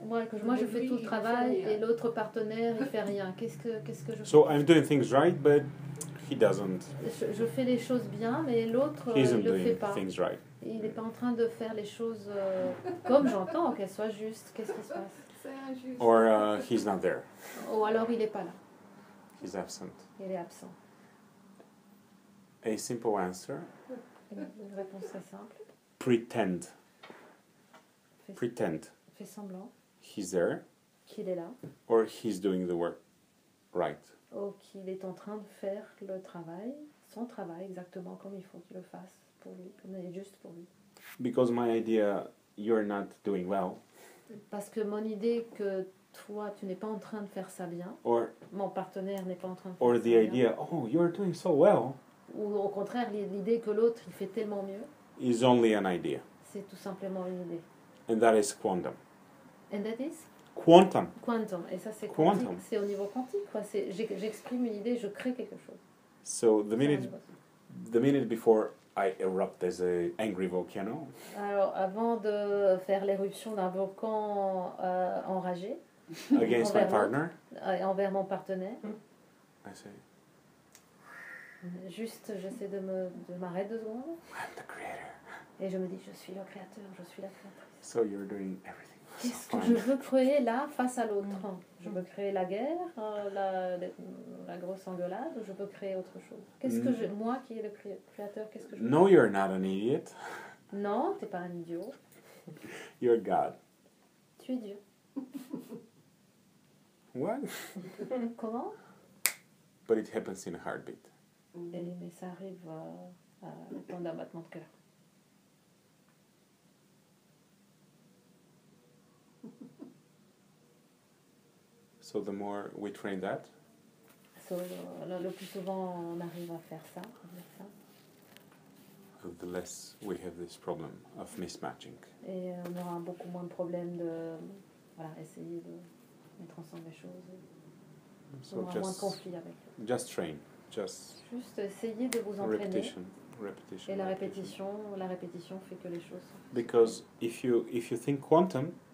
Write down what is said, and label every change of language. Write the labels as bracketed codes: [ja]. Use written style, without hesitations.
[fr] moi je fais tout le travail et l'autre partenaire il fait rien. Qu'est-ce que je fais? [en] So I'm doing things right but he doesn't. [fr] Je fais les choses bien mais l'autre il le [en] doing [fr] fait pas. [en] Things right. [fr] Il est pas en train de faire les choses comme j'entends qu'elles soient justes. Qu'est-ce qui se passe? C'est injuste. [en] Or he's not there. [fr] Ou alors il est pas là. [en] He's absent. [fr] Il est absent. [en] A simple answer. [fr] Une réponse très simple. [en] Pretend. Pretend. [fr] Fais semblant. [en] He's there. [fr] Qu'il est là. [en] Or he's doing the work right. [fr] Ou qu'il est en train de faire le travail, son travail, exactement comme il faut qu'il le fasse pour lui, juste pour lui. [en] Because my idea, you're not doing well. [fr] Parce que mon idée que toi, tu n'es pas en train de faire ça bien. [en] Or, [fr] mon partenaire n'est pas en train de faire ça bien. [en] Or the idea, oh, you're doing so well. [fr] Ou au contraire, l'idée que l'autre, il fait tellement mieux. [en] Is only an idea. [fr] C'est tout simplement une idée. [en] And that is quantum. And that is? Quantum. [fr] Quantum. Et ça, c'est quantique. Quantum. C'est au niveau quantique, quoi. C'est, j'exprime une idée, je crée quelque chose. [en] So, the minute before I erupt as an angry volcano. [fr] Alors, avant de faire l'éruption d'un volcan enragé. [en] Against my partner. [fr] Envers mon partenaire. [en] I say. [fr] Juste, j'essaie de m'arrêter deux secondes. [en] I'm the creator. [fr] Et je me dis, je suis le créateur, je suis la créatrice. [en] So you're doing everything. [fr] Qu'est-ce que je veux créer là face à l'autre? Je veux créer la guerre, la grosse engueulade, ou je veux créer autre chose? Qu'est-ce que moi qui est le créateur, qu'est-ce que je veux? [en] No, you're not an idiot. [fr] Non, t'es pas un idiot. [en] You're God. [fr] Tu es Dieu. [en] What? [fr] Comment? [en] But it happens in a heartbeat. [fr] Mais ça arrive à temps d'un battement de cœur. [en] So the more we train that. [fr] So le plus souvent on arrive à faire ça. [en] The less we have this problem of mismatching. [fr] Et on aura beaucoup moins de problèmes de voilà essayer de mettre ensemble les choses. So on aura moins de conflits avec. [en] Just train, just. [fr] Juste essayer de vous entraîner. [en] Repetition. [fr] Et la répétition, fait que les choses. [en] Because if you think quantum.